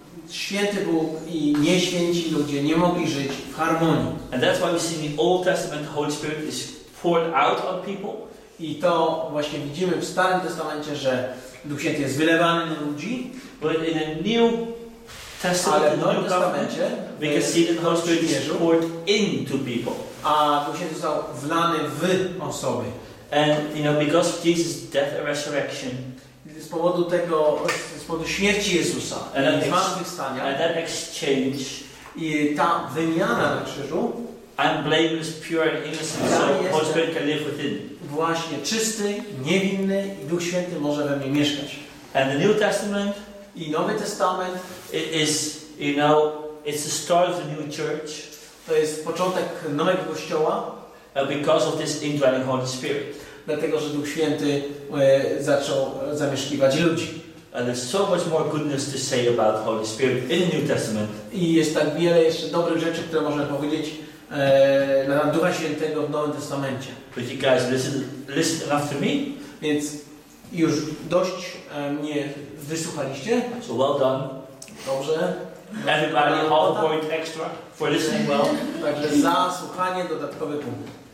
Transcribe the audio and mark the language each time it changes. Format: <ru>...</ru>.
<pl>Święty Bóg i nieświęci ludzie nie mogli żyć w harmonii.</pl> <en>And that's why we see in the Old Testament the Holy Spirit is poured out on people.</en> <pl>I to właśnie widzimy w Starym Testamencie, że Duch Święty jest wylewany na ludzi.</pl> <en>But in the New Testament, we can see that the Holy Spirit is poured into people.</en> <pl>A Duch Święty został wlany w osoby.</pl> <en>And you know, because of Jesus' death and resurrection,</en> <pl>z powodu śmierci Jezusa,</pl> <en>and that exchange,</en> <pl>I ta wymiana na krzyżu.</pl> <en>I'm blameless, pure and innocent, so Holy Spirit can live within.</en> <pl>Właśnie czysty, niewinny i Duch Święty może we mnie mieszkać.</pl> <en>And the New Testament,</en> <pl>i Nowy Testament,</pl> <en>it is, you know, it's the start of the new church.</en> <pl>To jest początek nowego kościoła.</pl> <en>Because of this indwelling Holy Spirit.</en> <pl>Dlatego, że Duch Święty zaczął zamieszkiwać ludzi.</pl> <en>And there's so much more goodness to say about Holy Spirit in the New Testament.</en> <pl>I jest tak wiele jeszcze dobrych rzeczy, które można powiedzieć na temat Ducha Świętego w Nowym Testamencie.</pl> <en>But you guys listen enough to me?</en> <pl>Więc już dość mnie wysłuchaliście.</pl> <en>So well done.</en> <pl>Dobrze.</pl> <en>Everybody, all point extra for listening well.</en> <pl>Także za słuchanie dodatkowy punkt.</pl>